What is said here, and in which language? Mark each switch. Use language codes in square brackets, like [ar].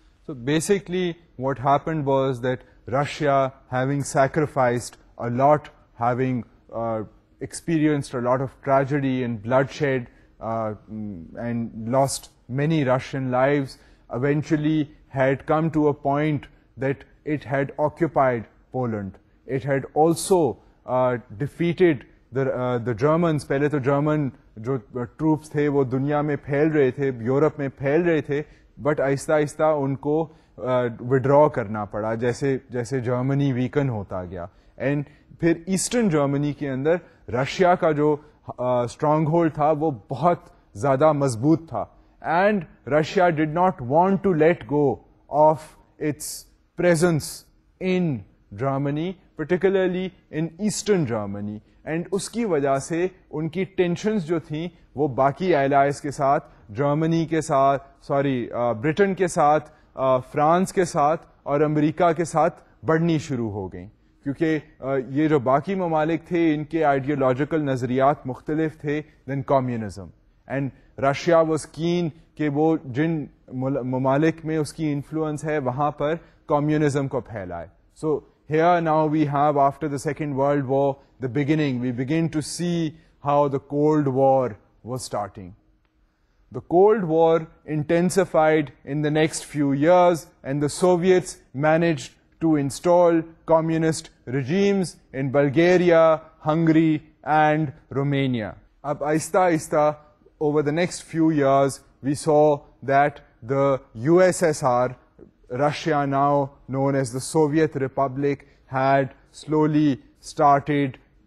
[en] So basically what happened was that Russia, having sacrificed a lot, having experienced a lot of tragedy and bloodshed and lost many Russian lives, eventually had come to a point that it had occupied Poland. it had also defeated the Germans. [ur] پہلے تو German جو troops تھے وہ دنیا میں پھیل رہے تھے, یورپ میں پھیل رہے تھے, بٹ آہستہ آہستہ ان کو withdraw کرنا پڑا جیسے جیسے جرمنی ویکن ہوتا گیا. اینڈ پھر ایسٹرن جرمنی کے اندر رشیا کا جو اسٹرانگ ہولڈ تھا وہ بہت زیادہ مضبوط تھا. [en] And Russia did not want to let go of its presence in Germany, particularly in eastern Germany. [ur] And اس کی وجہ سے ان کی ٹینشنز جو تھیں وہ باقی ایلائز کے ساتھ, جرمنی کے ساتھ, سوری بریٹن کے ساتھ, فرانس کے ساتھ اور امریکہ کے ساتھ بڑھنی شروع ہو گئیں, کیونکہ یہ جو باقی ممالک تھے ان کے آئیڈیولوجیکل نظریات مختلف تھے [en] دین communism. And Russia was keen [ur] کہ وہ جن ممالک میں اس کی انفلوئنس ہے وہاں پر کمیونزم کو پھیلائے. [en] So here now we have after the Second World War the beginning, we began to see how the Cold War was starting. The Cold War intensified in the next few years and the Soviets managed to install communist regimes in Bulgaria, Hungary and Romania. [ur] Ab aista aista [en] over the next few years we saw that the USSR, Russia now known as the Soviet Republic, had slowly started